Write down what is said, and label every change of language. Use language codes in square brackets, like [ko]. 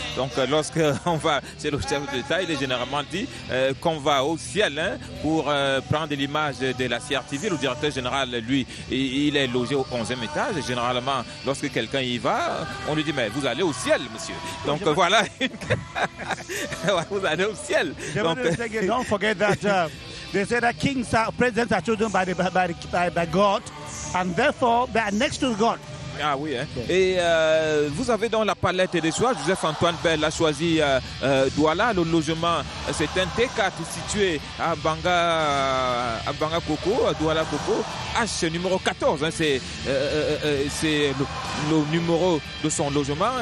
[fr] Donc lorsque on va chez le chef de l'État, il est généralement dit qu'on va au ciel hein, pour prendre l'image de la CRTV. Le directeur général, lui, il est logé au 11e étage. Et généralement, lorsque quelqu'un y va, on lui dit, mais vous allez au ciel, monsieur. Donc voilà, vous allez au ciel. [en] Donc, don't forget that they say that kings are presidents are chosen by God, and therefore they are next to God. [fr] Ah oui, hein. Et vous avez donc la palette des choix. Joseph Antoine Bell a choisi Douala. Le logement, c'est un T4 situé à Banga Koko, à Douala Koko, H numéro 14. Hein, c'est le numéro de son logement.